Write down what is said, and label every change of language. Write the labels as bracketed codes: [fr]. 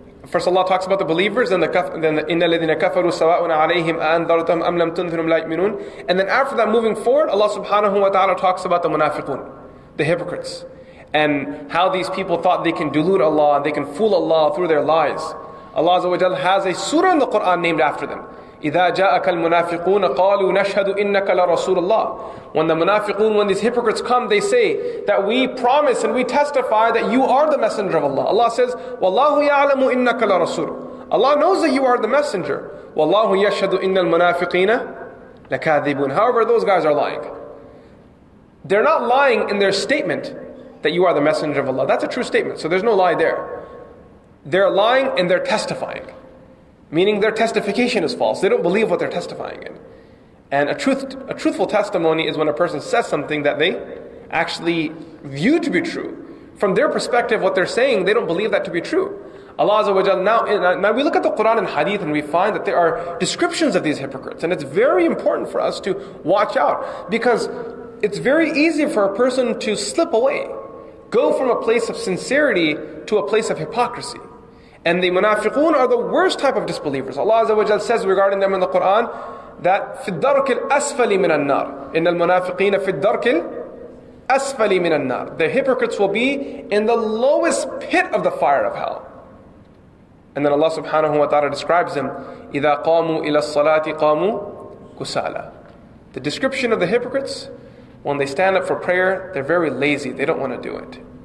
[en] First Allah talks about the believers, and then the [ar] إِنَّ الَّذِينَ كَفَرُوا سَوَاءٌ عَلَيْهِمْ أَأَنذَرْتَهُمْ أَمْ لَمْ تُنْذِرْهُمْ لَا يُؤْمِنُونَ. [en] And then after that, moving forward, Allah subhanahu wa ta'ala talks about the munafiqun, the hypocrites, and how these people thought they can delude Allah, and they can fool Allah through their lies. Allah azza wa jal has a surah in the Quran named after them. [ar] إِذَا جَاءَكَ الْمُنَافِقُونَ قَالُوا نَشْهَدُ إِنَّكَ لَرَسُولُ اللَّهِ. [en] When the munafiqun, when these hypocrites come, they say that we promise and we testify that you are the messenger of Allah. Allah says, [ar] وَاللَّهُ يَعْلَمُ إِنَّكَ لَرَسُولُ. [en] Allah knows that you are the messenger. [ar] وَاللَّهُ يَشْهَدُ إِنَّ الْمُنَافِقِينَ لَكَاذِبُونَ. [en] However, those guys are lying. They're not lying in their statement that you are the messenger of Allah. That's a true statement, so there's no lie there. They're lying and they're testifying, meaning their testification is false. They don't believe what they're testifying in. And a truthful testimony is when a person says something that they actually view to be true. From their perspective, what they're saying, they don't believe that to be true. Allah Azza wa Jalla, now we look at the Quran and Hadith and we find that there are descriptions of these hypocrites. And it's very important for us to watch out, because it's very easy for a person to slip away, go from a place of sincerity to a place of hypocrisy. And the munafiqun are the worst type of disbelievers. Allah Azza wa Jal says regarding them in the Quran that [ar] فِي الدَّرْكِ الْأَسْفَلِ مِنَ النَّارِ إِنَّ الْمُنَافِقِينَ فِي الدَّرْكِ الْأَسْفَلِ مِنَ النَّارِ. [en] The hypocrites will be in the lowest pit of the fire of hell. And then Allah subhanahu wa ta'ala describes them, [ar] إِذَا قَامُوا إِلَى الصَّلَاةِ قَامُوا كُسَالَ. [en] The description of the hypocrites, when they stand up for prayer, they're very lazy, they don't want to do it.